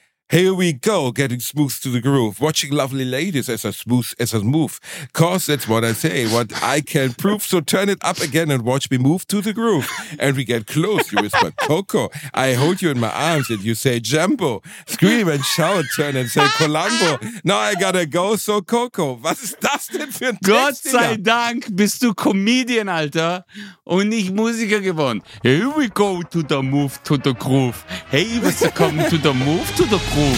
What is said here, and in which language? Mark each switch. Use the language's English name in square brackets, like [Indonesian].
[English] Here we go, getting smooth to the groove. Watching lovely ladies as a smooth as a move. Cause that's what I say, what I can prove. So turn it up again and watch me move to the groove. And we get close, you whisper, Coco. I hold you in my arms and you say, Jumbo. Scream and shout, turn and say, Columbo. Now I gotta go, so Coco. [German] Was ist das denn für ein Text? Gott sei Dank bist du Comedian, Alter. Und nicht Musiker geworden. [English] Here we go to the move to the groove. Hey, was kommen to the move to the groove?